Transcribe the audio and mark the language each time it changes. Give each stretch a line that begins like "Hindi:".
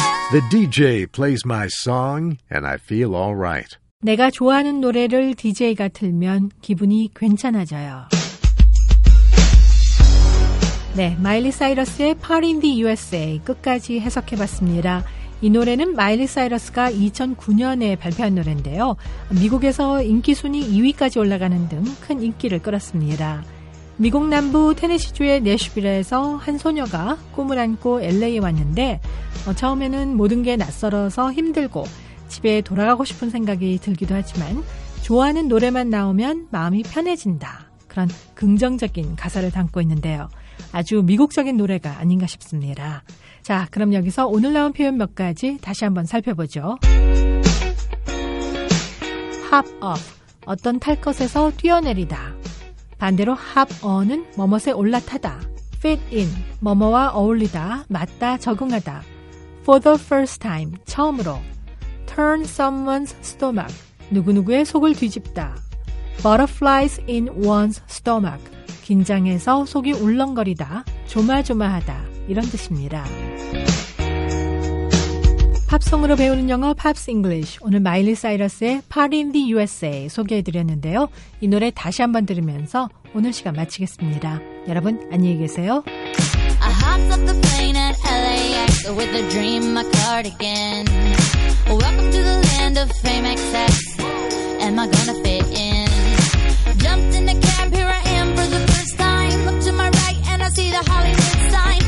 English: The DJ plays my song and I feel all right.
Korean: 내가 좋아하는 노래를 DJ가 틀면 기분이 괜찮아져요. 네, 마일리 사이러스의 Party in the USA 끝까지 해석해봤습니다. 이 노래는 마일리 사이러스가 2009년에 발표한 노래인데요. 미국에서 인기 순위 2위까지 올라가는 등 큰 인기를 끌었습니다. 미국 남부 테네시주의 내슈빌에서 한 소녀가 꿈을 안고 LA에 왔는데 처음에는 모든 게 낯설어서 힘들고 집에 돌아가고 싶은 생각이 들기도 하지만 좋아하는 노래만 나오면 마음이 편해진다. 그런 긍정적인 가사를 담고 있는데요. 아주 미국적인 노래가 아닌가 싶습니다. 자, 그럼 여기서 오늘 나온 표현 몇 가지 다시 한번 살펴보죠.
English: Hop off,
Korean: 어떤 탈 것에서 뛰어내리다. 반대로
English: hop on
Korean: 은 뭐뭇에 올라타다.
English: Fit in,
Korean: 뭐뭇와 어울리다, 맞다, 적응하다.
English: For the first time,
Korean: 처음으로.
English: Turn someone's stomach,
Korean: 누구누구의 속을 뒤집다.
English: Butterflies in one's stomach,
Korean: 긴장해서 속이 울렁거리다, 조마조마하다, 이런 뜻입니다. 팝송으로 배우는 영어 Pops English, 오늘 마일리 사이러스의 Party in the USA 소개해드렸는데요. 이 노래 다시 한번 들으면서 오늘 시간 마치겠습니다. 여러분 안녕히 계세요.
English: I hopped up the plane at LAX with a dream in my cardigan. Welcome to the land of fame excess. Am I gonna fit in? Jumped in the cab, here I am for the first time. Look to my right and I see the Hollywood sign.